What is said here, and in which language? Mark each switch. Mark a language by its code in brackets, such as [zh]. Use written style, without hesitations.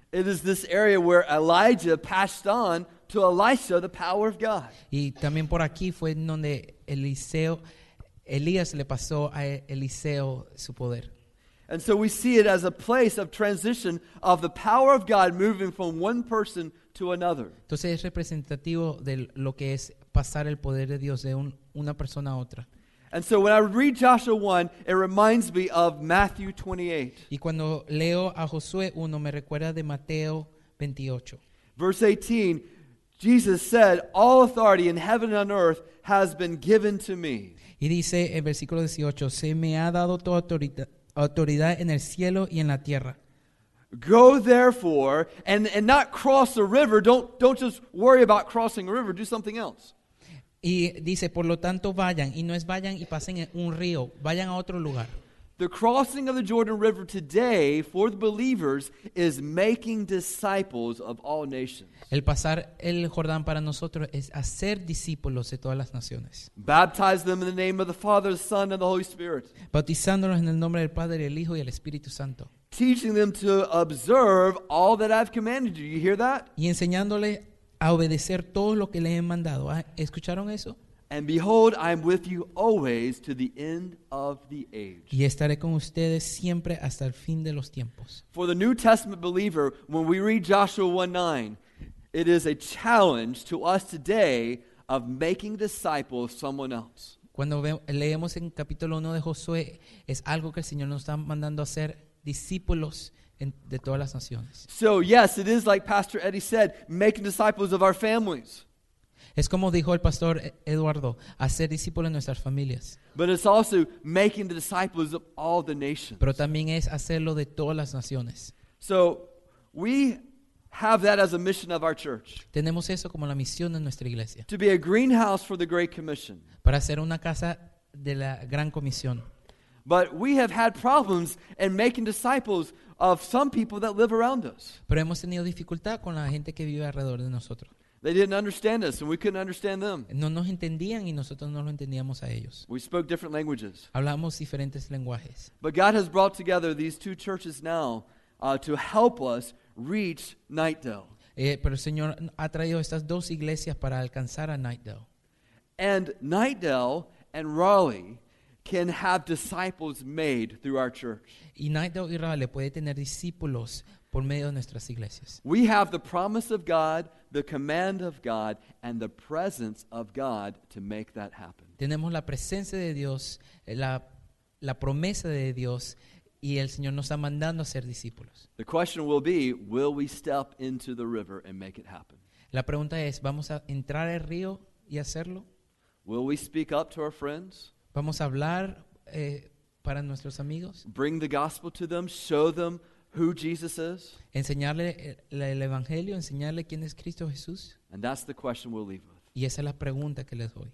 [en] It is this area where Elijah passed on to Elisha the power of God. [es] Y también por aquí fue donde Elías le pasó a Eliseo su poder. [en] And so we see it as a place of transition of the power of God moving from one person to another. [es] Entonces es representativo de lo que es pasar el poder de Dios de una persona a otra. [en] And so when I read Joshua 1, it reminds me of Matthew 28. [es] Y cuando leo a Josué 1, me recuerda de Mateo 28. [en] Verse 18, Jesus said, "All authority in heaven and on earth has been given to me." [es] Y dice en versículo 18, "Se me ha dado toda autoridad en el cielo y en la tierra." [en] Go therefore and not cross the river. Don't just worry about crossing a river. Do something else. [es] Y dice, por lo tanto, vayan. Y no es vayan y pasen un río. Vayan a otro lugar. [en] The crossing of the Jordan River today for the believers is making disciples of all nations. [es] El pasar el Jordán para nosotros es hacer discípulos de todas las naciones. [en] Baptize them in the name of the Father, the Son, and the Holy Spirit. [es] Bautizándolos en el nombre del Padre, el Hijo y el Espíritu Santo. [en] Teaching them to observe all that I've commanded you. You hear that? [es] Y enseñándole a obedecer todo lo que le he mandado. ¿Escucharon eso? [en] And behold, I am with you always to the end of the age. [es] Y estaré con ustedes siempre hasta el fin de los tiempos. [en] For the New Testament believer, when we read Joshua 1:9, it is a challenge to us today of making disciples of someone else. [es] Cuando leemos en capítulo 1 de Josué, es algo que el Señor nos está mandando a hacer discípulos de todas las naciones. [en] So yes, it is like Pastor Eddie said, making disciples of our families. [es] Es como dijo el pastor Eduardo, hacer discípulos en nuestras familias. [en] But it's also making the disciples of all the nations. [es] Pero también es hacerlo de todas las naciones. [en] So we have that as a mission of our church. [es] Tenemos eso como la misión de nuestra iglesia. [en] To be a greenhouse for the Great Commission. [es] Para ser una casa de la Gran Comisión. [en] But we have had problems in making disciples of some people that live around us. [es] Pero hemos tenido dificultad con la gente que vive alrededor de nosotros. [en] They didn't understand us and we couldn't understand them. [es] No nos entendían y nosotros no lo entendíamos a ellos. [en] We spoke different languages. [es] Hablamos diferentes lenguajes. [en] But God has brought together these two churches now to help us reach Knightdale. [es] Pero el Señor ha traído estas dos iglesias para alcanzar a Knightdale. [en] And Knightdale and Raleigh can have disciples made through our church. [es] Y nadie de Israel puede tener discípulos por medio de nuestras iglesias. [en] We have the promise of God, the command of God, and the presence of God to make that happen. [es] Tenemos la presencia de Dios, la promesa de Dios, y el Señor nos está mandando a ser discípulos. [en] The question will be, will we step into the river and make it happen? [es] La pregunta es, ¿vamos a entrar al río y hacerlo? [en] Will we speak up to our friends? [es] ¿Vamos a hablar para nuestros amigos? [en] Bring the gospel to them, show them who Jesus is? [es] Enseñarle el evangelio, enseñarle quién es Cristo Jesús? [en] And that's the question we'll leave with. [es] Y esa es la pregunta que les doy.